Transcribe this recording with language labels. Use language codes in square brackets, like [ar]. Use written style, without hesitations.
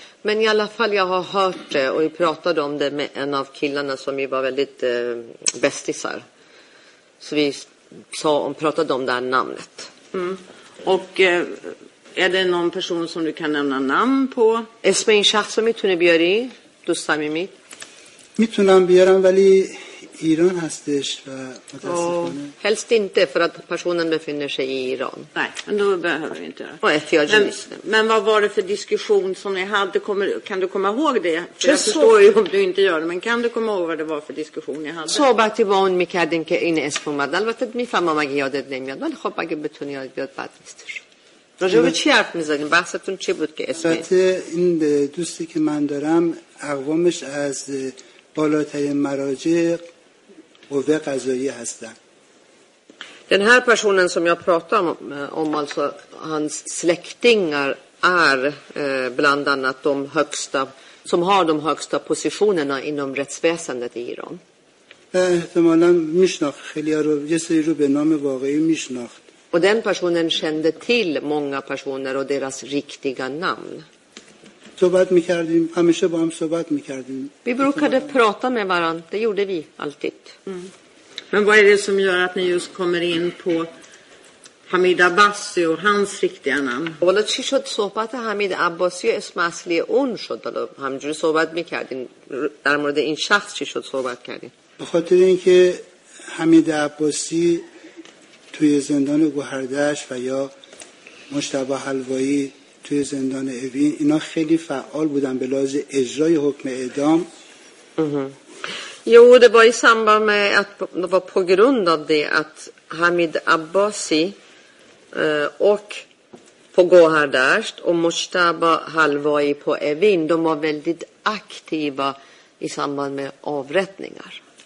[sv] Men i alla fall jag har hört det och vi pratade om det med en av killarna som vi var väldigt bästisar. Så vi sa och pratade om det här namnet. Mm. Och är det någon person som du kan nämna namn på? Esmein Shahsomi Tunebjeri, du Samimi. [fa] میتونم بیارم ولی ایران هستش و متاسفانه [sv] helst inte för att personen befinner sig i Iran. Nej, men då behöver vi inte. Men vad var det för diskussion som ni hade? Kan du komma ihåg det? För jag förstår ju om du inte gör det, men kan du komma ihåg vad det var för diskussion ni hade? [fa] صحبتی با اون میکردیم که این اسم اومد. البته میفهمم اگه یادت نمیاد ولی خب اگه بتونی یاد بیاد بعد نیستش. راجب چی حرف میزنیم؟ بحثتون چی بود که اسمی؟ البته این دوستی که من دارم اقوامش از بالاترین مراجع قوه قضاییه هستند. [sv] Den här personen som jag pratar om alltså hans släktingar är bland annat de högsta som har de högsta positionerna inom rättsväsendet i Iran. [fa] احتمالاً میشناخت خیلی ها رو یه سری رو به نام واقعی میشناخت. [sv] Och den personen kände till många personer och deras riktiga namn. [fa] صحبت میکردیم همیشه با هم صحبت میکردیم. [sv] Vi brukade prata med varandra. Det gjorde vi alltid. Men vad är det som gör att ni just kommer in på Hamid Abbasi och hans riktiga namn? [fa] والا چی شد صحبت حمید عباسی و اسم اصلی اون شد؟ حالا همینجوری صحبت میکردیم در مورد این شخص چی شد صحبت کردیم؟ به خاطر اینکه حمید عباسی توی زندان گوهردشت و یا مشتبه حلوایی توی زندان اوین اینا خیلی فعال بودن به لحاظ اجرای حکم اعدام. [sv] Jo, det var i samband med att det var på grund av det att Hamid Abbasi och på Gohardasht och Mojtaba Halvai på Evin, de var väldigt aktiva i samband med avrättningar.